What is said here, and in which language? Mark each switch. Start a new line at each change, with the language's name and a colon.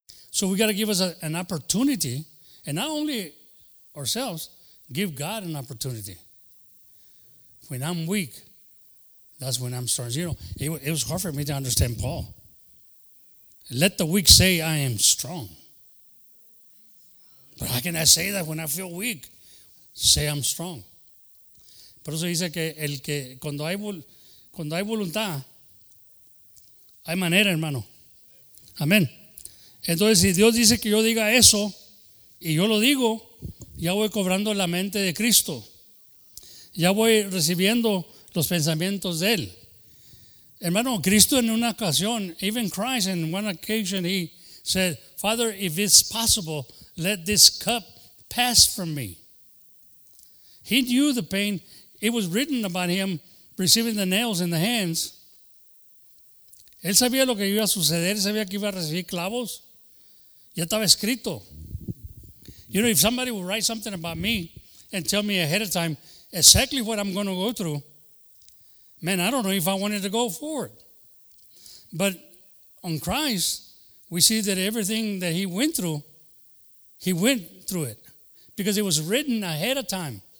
English: So we got to give us an opportunity, and not only ourselves, give God an opportunity. When I'm weak, that's when I'm strong. You know, it was hard for me to understand Paul. Let the weak say, I am strong. But how can I say that when I feel weak? Say I'm strong.
Spanish: Por eso dice que el que cuando hay voluntad, hay manera, hermano. Amén. Entonces, si Dios dice que yo diga eso, y yo lo digo, ya voy cobrando la mente de Cristo. Ya voy recibiendo los pensamientos de Él. Hermano, Cristo en una ocasión,
English: even Christ in one occasion, He said, Father, if it's possible, let this cup pass from me. He knew the pain. It was written about Him receiving the nails in the hands.
Spanish: Él sabía lo que iba a suceder. Él sabía que iba a recibir clavos. Ya estaba escrito.
English: You know, if somebody would write something about me and tell me ahead of time exactly what I'm going to go through, man, I don't know if I wanted to go forward. But on Christ, we see that everything that He went through, He went through it because it was written ahead of time.